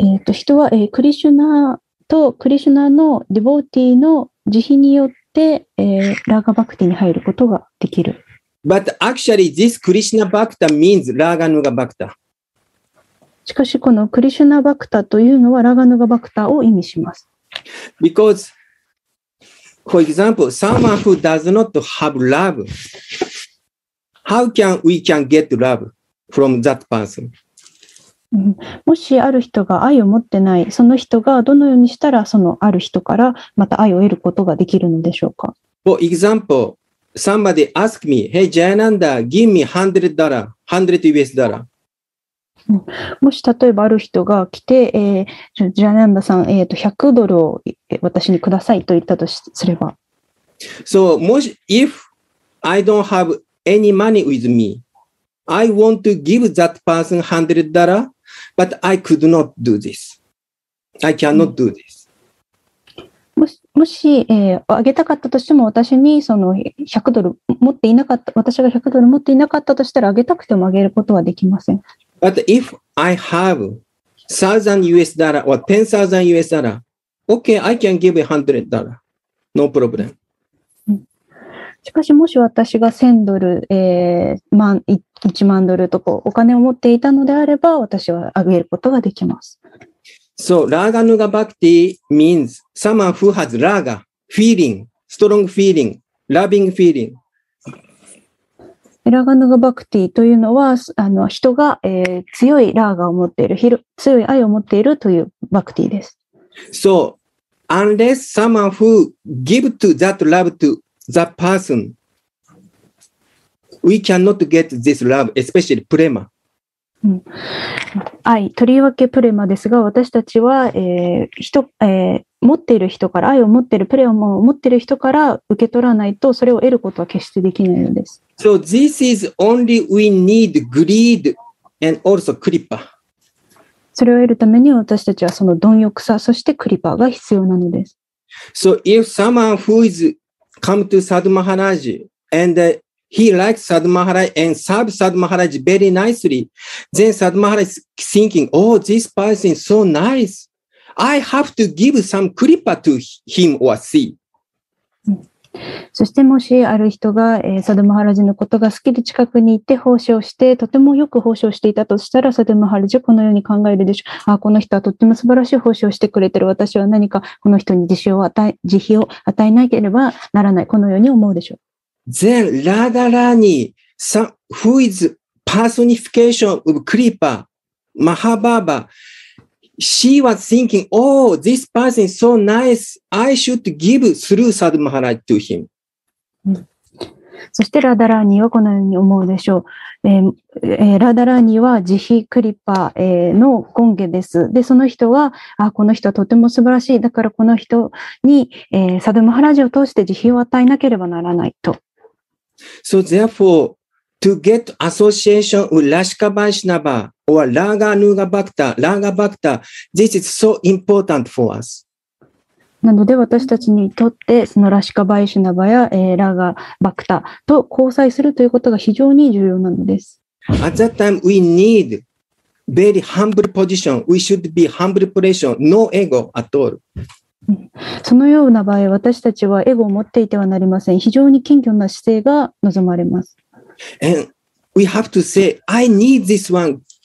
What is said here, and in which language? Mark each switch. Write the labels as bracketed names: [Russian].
[Japanese] 人は、クリシュナとクリシュナのディボーティーの慈悲によって、ラーガバクティに入ることができる。 [English] But actually, this Krishna Bhakta means ラーガヌガバクタ。 [Japanese] しかし、このクリシュナバクタというのはラーガヌガバクタを意味します。 [English] Because For example, someone who does not have love, how can we can get love from that person? [Japanese] もしある人が愛を持ってない、その人がどのようにしたらそのある人からまた愛を得ることができるのでしょうか。 [English] For example, somebody ask me, "Hey, Jayananda, give me $100, $100 US." [Japanese] もし例えばある人が来て、Jayananda さん、100ドルを私にくださいと言ったとすれば、 [English] So, [Japanese] もし [English] if I don't have any money with me. I want to give that person $100, but I could not do this. I cannot do this. [Japanese] もし、あげたかったとしても、私にその100ドル持っていなかった、私が100ドル持っていなかったとしたら、あげたくてもあげることはできません。 [English] But if I have $1,000 US or $10,000 US, okay, I can give $100. No problem. [Japanese] しかしもし私が1000ドル、1万ドルとこうお金を持っていたのであれば私はあげることができます。 [English] So, Raga Nuga Bhakti means someone who has Raga, feeling, strong feeling, loving feeling. [Japanese] Raga Nuga Bhakti というのは人が、強いRagaを持っている、強い愛を持っているというBhaktiです。 [English] So, unless someone who give to that love toThe person, we cannot get this love, especially prema. [Japanese] 愛、とりわけプレマですが、私たちは、持っている人から、愛を持っている、プレマを持っている人から受け取らないと、それを得ることは決してできないのです。 [English] So this is only we need greed and also kripa. [Japanese] それを得るために私たちはその貪欲さ、そしてクリパが必要なのです。 [English] So if someone who is... Come to Sadhu Maharaj and he likes Sadhu Maharaj and serves Sadhu Maharaj very nicely. Then Sadhu Maharaj is thinking, oh, this person is so nice. I have to give some kripa to him or she. [Japanese] そしてもしある人が、Sadhu Maharaj のことが好きで近くに行って奉仕をしてとてもよく奉仕をしていたとしたら Sadhu Maharaj はこのように考えるでしょう。あ、この人はとっても素晴らしい奉仕をしてくれてる。私は何かこの人に慈悲を与えなければならない。このように思うでしょう。 [English] Then Radharani, who is personification of Kripa, Mahababa, she was thinking, oh, this person is so nice, I should give through Sadhu Maharaj to him. [Japanese] そしてラダラーニーはこのように思うでしょう。ラダラーニーは慈悲クリッパの権化です。で、その人は、あ、この人はとても素晴らしい。だからこの人に、サドマハラジを通して慈悲を与えなければならないと。 [English] So therefore, to get association with Rashika Vaishnava or Raga Nuga Bhakta, Raga Bhakta, this is so important for us. [Japanese] なので私たちにとってそのラシカバイシュナバや、ラガバクタと交際するということが非常に重要なのです。 [English] At that time we need very humble position. We should be humble position. No ego at all. [Japanese] そのような場合私たちはエゴを持っていてはなりません。非常に謙虚な姿勢が望まれます。 [English] And we have to say, I need this one.